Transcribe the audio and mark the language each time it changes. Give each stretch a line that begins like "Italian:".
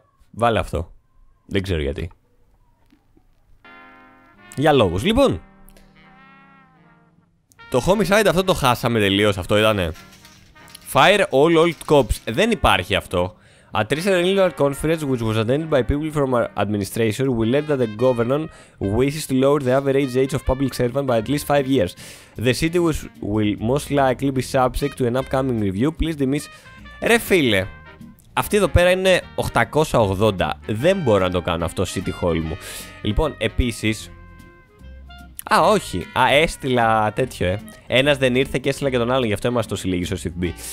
Greek: Βάλε αυτό. Δεν ξέρω γιατί. Για λόγους. Λοιπόν, το homicide αυτό το χάσαμε τελείως. Αυτό ήτανε.
English: Fire all old cops.
Greek: Δεν υπάρχει αυτό.
English: A 3-year-old conference which was attended by people from our administration will lead that the governor wishes to lower the average age of public servant by at least 5 years. The city will most likely be subject to an upcoming review. Please dismiss.
Greek: Ρε φίλε, αυτή εδώ πέρα είναι 880. Δεν μπορώ να το κάνω αυτό, City Hall μου. Λοιπόν, επίσης. Α, όχι. Α, έστειλα τέτοιο, Ένας δεν ήρθε και έστειλα και τον άλλον, γι' αυτό είμαστε τόσο λίγοι στο CFB.